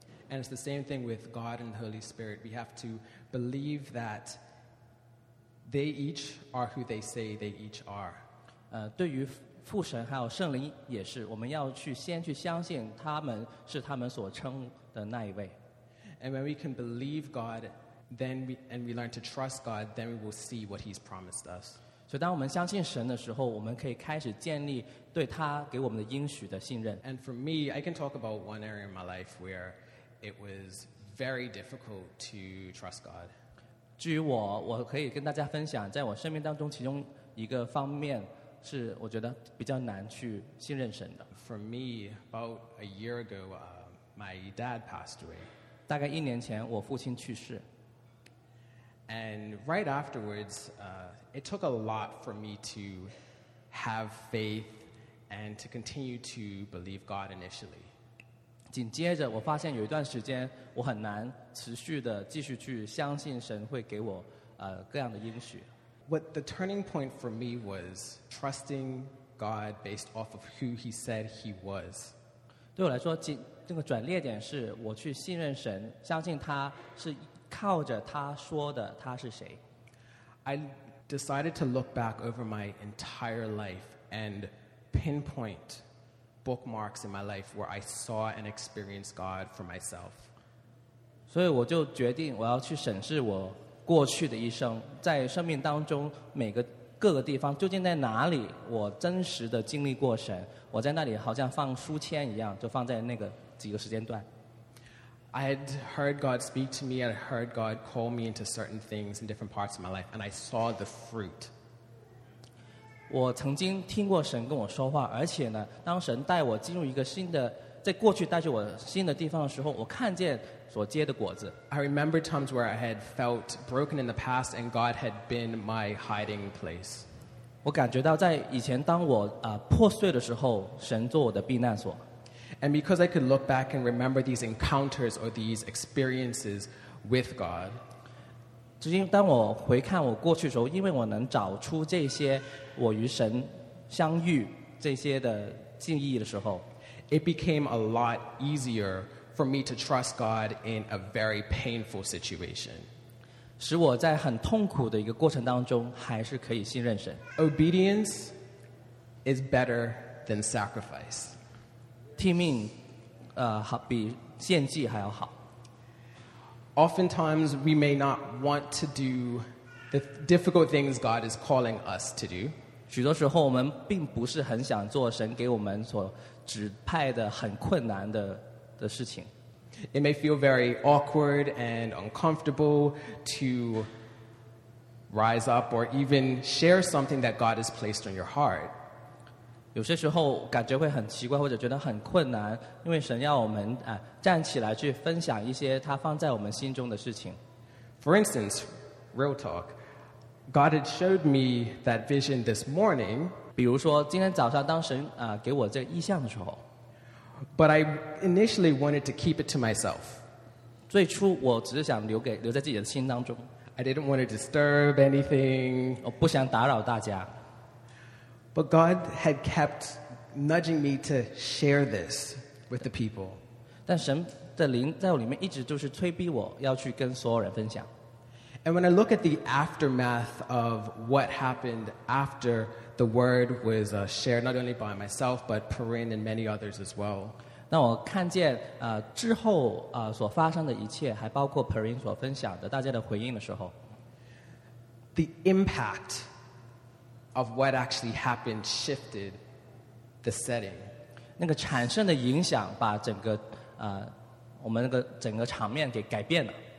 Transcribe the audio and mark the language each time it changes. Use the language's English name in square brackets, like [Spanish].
[English] And it's the same thing with God and the Holy Spirit. We have to believe that they each are who they say they each are. [Chinese] 对于父神还有圣灵也是，我们要去先去相信他们是他们所称的那一位。 [English] And when we can believe God, then we learn to trust God, then we will see what He's promised us. [Chinese] 所以当我们相信神的时候，我们可以开始建立对他给我们的应许的信任。 [English] And for me, I can talk about one area in my life where it was very difficult to trust God. [Chinese] 至于我，我可以跟大家分享，在我生命当中其中一个方面是我觉得比较难去信任神的。 [English] For me, about a year ago, my dad passed away. [Chinese] 大概一年前，我父亲去世。 [English] And right afterwards, it took a lot for me to have faith and to continue to believe God initially. [Chinese] 紧接着，我发现有一段时间我很难持续的继续去相信神会给我各样的应许。 [English] What the turning point for me was trusting God based off of who He said He was. [Chinese] 对我来说，这个转捩点是我去信任神，相信他是靠着他说的他是谁。 [English] I decided to look back over my entire life and pinpoint bookmarks in my life where I saw and experienced God for myself. [Chinese] 所以我就决定我要去审视我过去的一生，在生命当中每个各个地方究竟在哪里我真实的经历过神，我在那里好像放书签一样，就放在那个几个时间段。 [English] I had heard God speak to me, I had heard God call me into certain things in different parts of my life, and I saw the fruit. [Chinese] 我曾经听过神跟我说话，而且呢，当神带我进入一个新的，在过去带着我新的地方的时候，我看见所结的果子。 [English] I remember times where I had felt broken in the past, and God had been my hiding place. [Chinese] 我感觉到在以前当我破碎的时候，神做我的避难所。 [English] And because I could look back and remember these encounters or these experiences with God, [Chinese] 只因当我回看我过去的时候，因为我能找出这些我与神相遇这些的记忆的时候， [English] it became a lot easier for me to trust God in a very painful situation. [Chinese] 使我在很痛苦的一个过程当中，还是可以信任神。 [English] Obedience is better than sacrifice. [Chinese] 听命，比献祭还要好。 [English] Oftentimes we may not want to do the difficult things God is calling us to do. [Chinese] 许多时候我们并不是很想做神给我们所指派的很困难的事情。 [English] It may feel very awkward and uncomfortable to rise up or even share something that God has placed on your heart. [Chinese] 有些时候感觉会很奇怪或者觉得很困难，因为神要我们站起来去分享一些他放在我们心中的事情。 [English] For instance, real talk, God had showed me that vision this morning. [Chinese] 比如说今天早上当神给我这个意象的时候， [English] But I initially wanted to keep it to myself. [Chinese] 最初我只是想留在自己的心当中。 [English] I didn't want to disturb anything. [Chinese] 我不想打扰大家。 [English] But God had kept nudging me to share this with the people. [Chinese] 但神的灵在我里面一直就是催逼我要去跟所有人分享。 [English] And when I look at the aftermath of what happened after the word was shared, not only by myself, but Perrine and many others as well. [Chinese] 那我看见之后所发生的一切，还包括 Perrine 所分享的大家的回应的时候， [English] the impactOf what actually happened shifted the setting. [Chinese] 那个产生的影响把整个我们那个整个场面给改变了。